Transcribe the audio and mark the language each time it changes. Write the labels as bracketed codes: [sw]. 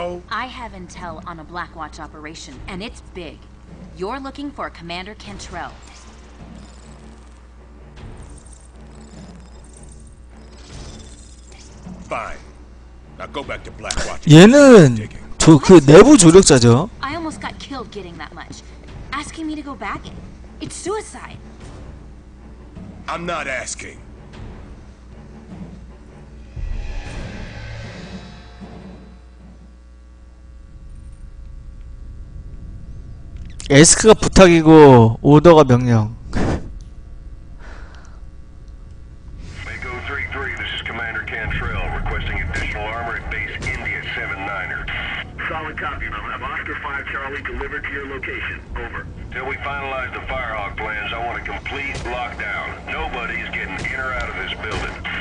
[en] I have intel on a Black Watch operation and it's big. You're looking for Commander Cantrell. Fine. Now go back to Black Watch. [ko] 얘는 저 그 내부 조력자죠. [en] I almost got killed getting that much. Asking me to go back? It's suicide. I'm not asking. [ko] 에스크가 부탁이고 오더가 명령. [en] Mako 33, this is Commander Cantrell requesting additional armor at base India 79er. Solid copy. I'll have Oscar 5 Charlie delivered to your location. Over. Till we finalize the Firehawk plans, I want a complete lockdown. Nobody is getting in or out of this building.